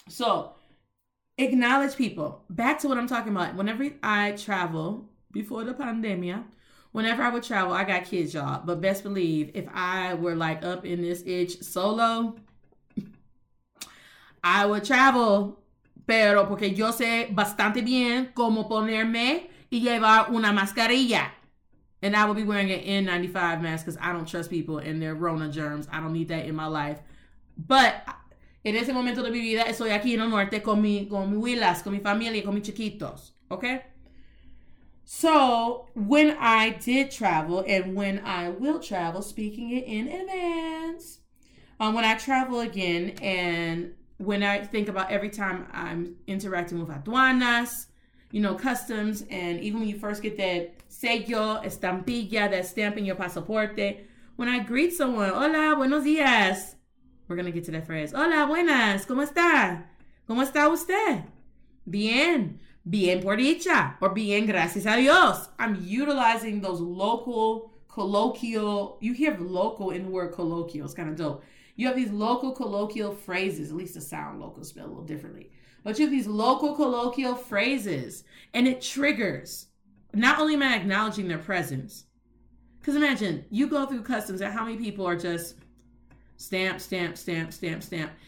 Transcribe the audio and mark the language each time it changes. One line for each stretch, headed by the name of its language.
English: So, acknowledge people. Back to what I'm talking about. Whenever I travel, before the pandemia, whenever I would travel, I got kids, y'all. But best believe, if I were like up in this itch solo, I would travel. Pero porque yo sé bastante bien cómo ponerme y llevar una mascarilla. And I will be wearing an N95 mask because I don't trust people and their Rona germs. I don't need that in my life. But
Spanish: en ese momento de mi vida, estoy aquí en el norte con mi huilas, con mi familia, con mis chiquitos.
English: Okay? So, when I did travel and when I will travel, speaking it in advance, when I travel again and when I think about every time I'm interacting with aduanas, you know, customs, and even when you first get that
Spanish: sello, estampilla,
English: that stamp in your pasaporte, when I greet someone,
Spanish: hola, buenos dias.
English: We're going to get to that phrase.
Spanish: Hola, buenas, ¿cómo está? ¿Cómo está usted? Bien, bien por dicha, or bien gracias a Dios.
English: I'm utilizing those local, colloquial, you hear local in the word colloquial, it's kind of dope. You have these local colloquial phrases, at least the sound local spell a little differently. But you have these local colloquial phrases, and it triggers. Not only am I acknowledging their presence, because imagine, you go through customs, and how many people are just stamp, stamp, stamp, stamp, stamp.